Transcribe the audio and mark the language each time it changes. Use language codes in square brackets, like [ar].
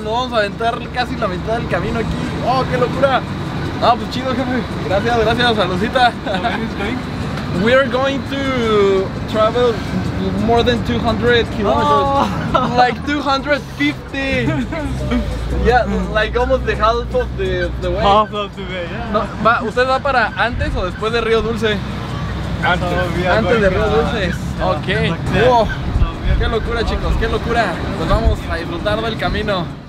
[es] Nos vamos a aventar casi la mitad del camino aquí. ¡Oh, qué locura! Ah, pues chido, jefe. Gracias, gracias, saludita. [en] We are going to travel more than 200 kilometers. Oh. Like 250. Yeah, like almost the half of the way. Half of the way, yeah. [es] No, va, ¿usted va para antes o después de Río Dulce? Antes de Río Dulce. Ok. Wow. Qué locura, chicos, qué locura. Pues vamos a disfrutar del camino.